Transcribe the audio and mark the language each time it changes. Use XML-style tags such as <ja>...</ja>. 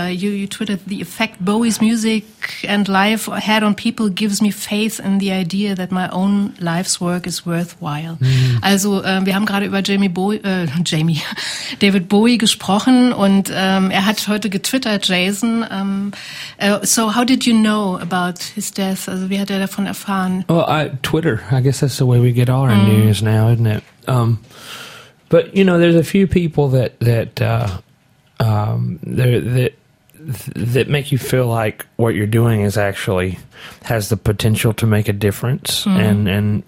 <en>You twittered the effect Bowie's music and life had on people gives me faith in the idea that my own life's work is worthwhile. Mm-hmm.</en> <de>Also wir haben gerade über David Bowie gesprochen und er hat heute getwittert, Jason.</de> <en>So how did you know about his death?</en> <de>Also wie hat er davon erfahren?</de> <en>Twitter. I guess that's the way we get all our news now, isn't it? But you know, there's a few people that make you feel like what you're doing is actually has the potential to make a difference. Mm.</en>